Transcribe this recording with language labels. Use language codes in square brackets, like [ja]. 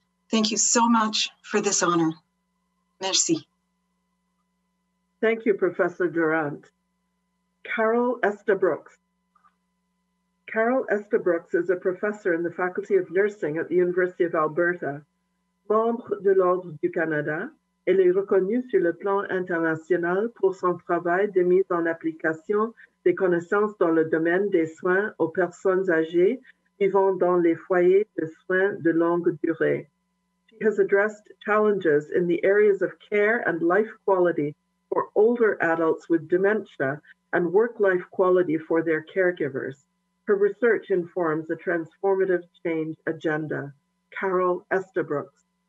[en] Thank you so much for this honor. [fr] Merci. [en] Thank you, Professor Durant. Carol Estabrooks. Carol Estabrooks is a professor in the Faculty of Nursing at the University of Alberta. [fr] Membre de l'Ordre du Canada, elle est reconnue sur le plan international pour son travail de mise en application des connaissances dans le domaine des soins aux personnes âgées vivant dans les foyers de soins de longue durée. [en] She has addressed challenges in the areas of care and life quality for older adults with dementia and work-life quality for their caregivers. Her research informs a transformative change agenda. Carol Estabrooks.